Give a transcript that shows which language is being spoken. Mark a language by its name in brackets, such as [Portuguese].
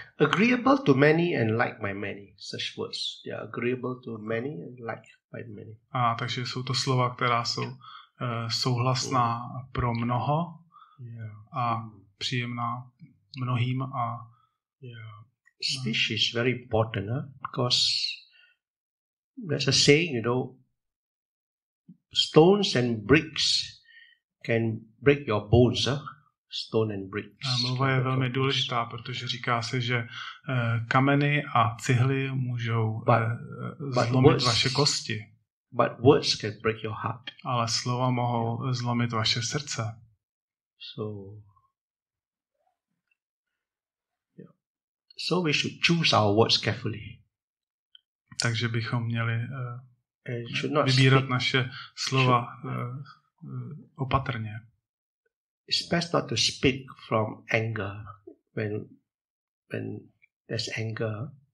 [English] Agreeable to many and like by many. Such words. They are agreeable to many and like by many. [Czech] A takže jsou to slova, která jsou souhlasná pro mnoho. [English] Yeah. [Czech] A příjemná mnohým a [English] speech is very important, because there's a saying, you know, stones and bricks can break your bones, stone and bricks. [Czech] A mluva je velmi důležitá, protože říká se, že kameny a cihly můžou zlomit vaše kosti. [English] But words can break your heart. [Czech] Ale slova mohou zlomit vaše srdce. [English] So we should choose our words carefully. [Czech] Takže bychom měli vybírat naše slova opatrně. [English] It's best not to speak from anger when there's anger.